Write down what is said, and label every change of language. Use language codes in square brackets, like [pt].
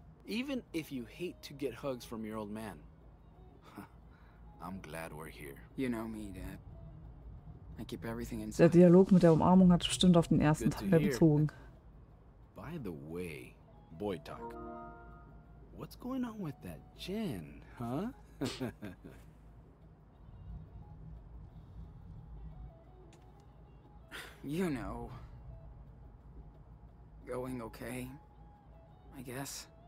[en] Even if you hate to get hugs from your old man. I'm glad we're here. You know me, Dad. I keep everything inside. [de] Der Dialog mit der Umarmung hat bestimmt auf den ersten Teil bezogen. [en] By the way, boy talk. What's going on with that gin, huh? you know, going okay, I guess.